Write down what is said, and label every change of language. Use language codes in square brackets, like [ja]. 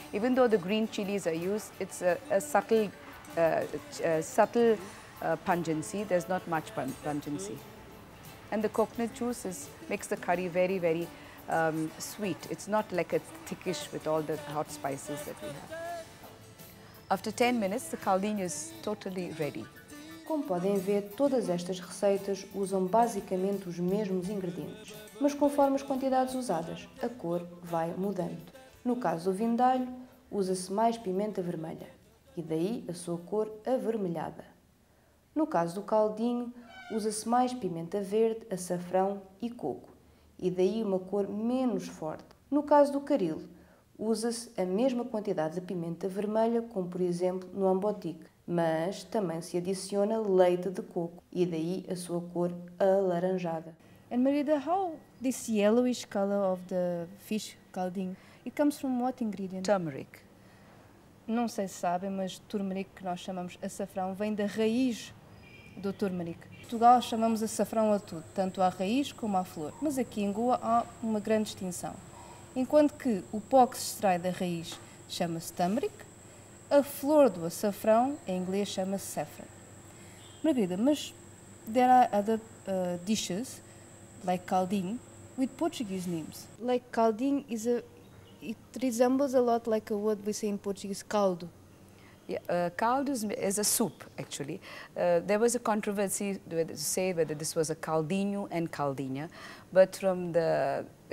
[en] Even though the green chilies are used, it's a subtle pungency. There's not much pungency. And the coconut juice makes the curry very, very sweet. It's not like a thickish with all the hot spices that we have. After 10 minutes, the caldinho is totally ready. [pt] Como podem ver, todas estas receitas usam basicamente os mesmos ingredientes, mas conforme as quantidades usadas, a cor vai mudando. No caso do vindalho, usa-se mais pimenta vermelha, e daí a sua cor avermelhada. No caso do caldinho, usa-se mais pimenta verde, açafrão e coco, e daí uma cor menos forte. No caso do caril, usa-se a mesma quantidade de pimenta vermelha, como por exemplo no ambotique, mas também se adiciona leite de coco, e daí a sua cor alaranjada. [en] And Margarida, how this yellowish color of the fish caldin, it comes from what ingredient? Turmeric. [pt] Não sei se sabem, mas turmeric, que nós chamamos açafrão, vem da raiz do turmeric. Em Portugal chamamos açafrão a tudo, tanto à raiz como à flor, mas aqui em Goa há uma grande distinção. Enquanto que o pó que se extrai da raiz chama-se turmeric, a flor do açafrão em inglês chama-se saffron. [en] Margarida, mas there are other dishes, like caldin, with Portuguese names. Like caldin is it resembles a lot like a word we say in Portuguese, caldo. Yeah, caldo is a soup, actually. There was a controversy to say whether this was a caldinho and caldinha, but from the